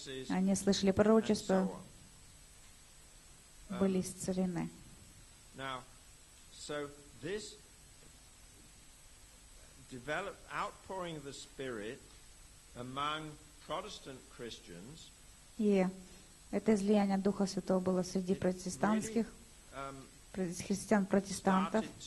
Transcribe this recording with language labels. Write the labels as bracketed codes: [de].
[ru] Они слышали пророчества, были исцелены. [en] Now, so this developed outpouring of the Spirit among Protestant Christians. [ru] Это излияние Духа Святого было среди протестантских. Христиан-протестантов.